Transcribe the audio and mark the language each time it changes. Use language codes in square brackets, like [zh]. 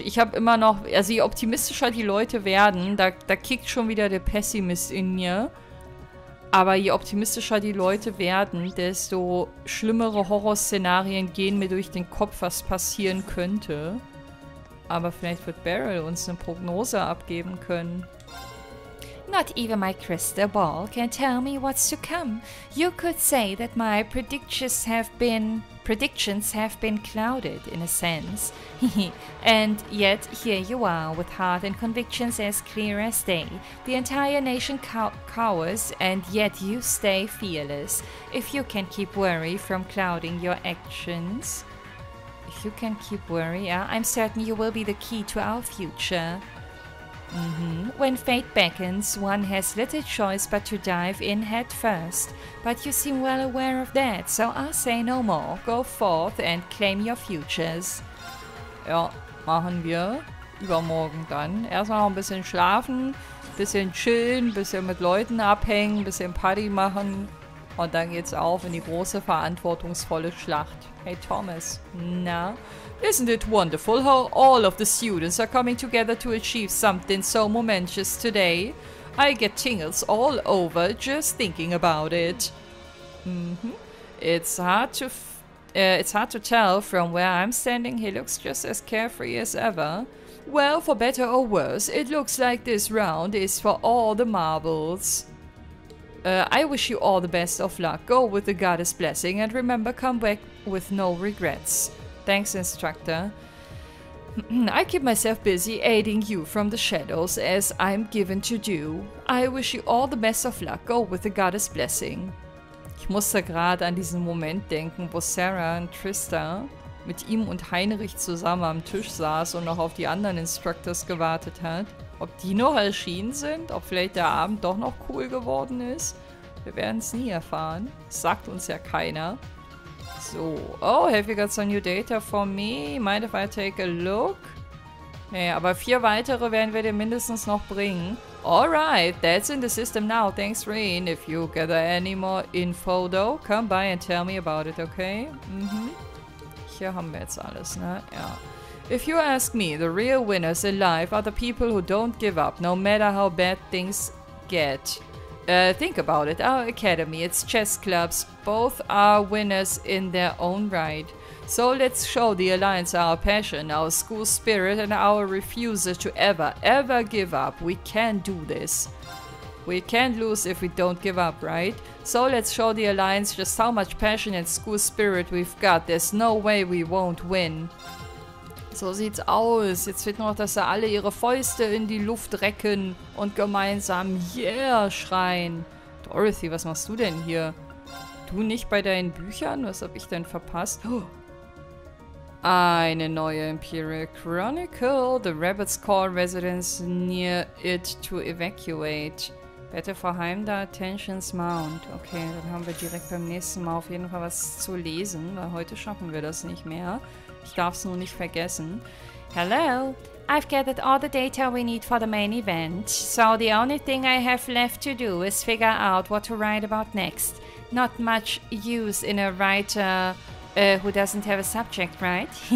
[de] Ich habe immer noch, also je optimistischer die Leute werden, da kickt schon wieder der Pessimist in mir. Aber je optimistischer die Leute werden, desto schlimmere Horrorszenarien gehen mir durch den Kopf, was passieren könnte. Aber vielleicht wird Beryl uns eine Prognose abgeben können. [en] Not even my crystal ball can tell me what's to come. You could say that my predictions have been clouded, in a sense. And yet, here you are, with heart and convictions as clear as day. The entire nation cowers, and yet you stay fearless. If you can keep worry from clouding your actions... If you can keep worry, yeah, I'm certain you will be the key to our future. Mm-hmm. When fate beckons, one has little choice but to dive in head first. But you seem well aware of that, so I'll say no more. Go forth and claim your futures. [de] Ja, machen wir. Übermorgen dann. Erstmal noch ein bisschen schlafen, bisschen chillen, bisschen mit Leuten abhängen, bisschen Party machen. Und dann geht's auf in die große, verantwortungsvolle Schlacht. Hey Thomas, na? [en] Isn't it wonderful how all of the students are coming together to achieve something so momentous today? I get tingles all over just thinking about it. Mm-hmm. It's hard to tell from where I'm standing. He looks just as carefree as ever. Well, for better or worse, it looks like this round is for all the marbles. I wish you all the best of luck. Go with the goddess blessing and remember, come back with no regrets. Thanks, instructor. I keep myself busy aiding you from the shadows as I'm given to do. I wish you all the best of luck. Go with the goddess blessing. [de] Ich musste gerade an diesen Moment denken, wo Sarah und Trista mit ihm und Heinrich zusammen am Tisch saß und noch auf die anderen Instructors gewartet hat. Ob die noch erschienen sind? Ob vielleicht der Abend doch noch cool geworden ist? Wir werden es nie erfahren. Das sagt uns ja keiner. [en] So, oh, have you got some new data for me? Mind if I take a look? [de] Nee, aber vier weitere werden wir dir mindestens noch bringen. [en] Alright, that's in the system now. Thanks, Rain. If you gather any more info, though, come by and tell me about it, okay? [de] Mhm. Hier haben wir jetzt alles, ne? Ja. [en] If you ask me, the real winners in life are the people who don't give up, no matter how bad things get. Think about it. Our academy, it's chess clubs. Both are winners in their own right. So let's show the Alliance our passion, our school spirit, and our refusal to ever, ever give up. We can do this. We can't lose if we don't give up, right? So let's show the Alliance just how much passion and school spirit we've got. There's no way we won't win. [de] So sieht's aus. Jetzt wird nur noch, dass sie alle ihre Fäuste in die Luft recken und gemeinsam yeah schreien. Dorothy, was machst du denn hier? Du nicht bei deinen Büchern? Was hab ich denn verpasst? Oh. Eine neue Imperial Chronicle. [en] The Rabbits call residents near it to evacuate. Bitte verheim da Tensions Mount. [de] Okay, dann haben wir direkt beim nächsten Mal auf jeden Fall was zu lesen, weil heute schaffen wir das nicht mehr. Ich darf's nur nicht vergessen. [en] Hello. I've gathered all the data we need for the main event, so the only thing I have left to do is figure out what to write about next. Not much use in a writer who doesn't have a subject, right?